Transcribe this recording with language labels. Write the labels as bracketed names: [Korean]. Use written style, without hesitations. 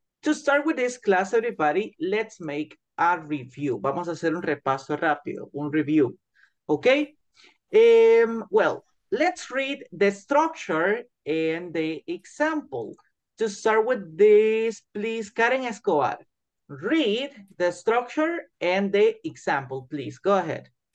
[English] To start with this class, everybody, let's make a review. [Spanish] Vamos a hacer un repaso rápido, un review. [English] Okay? Well, let's read the structure and the example. To start with this, please, Karen Escobar, read the structure and the example, please. Go ahead.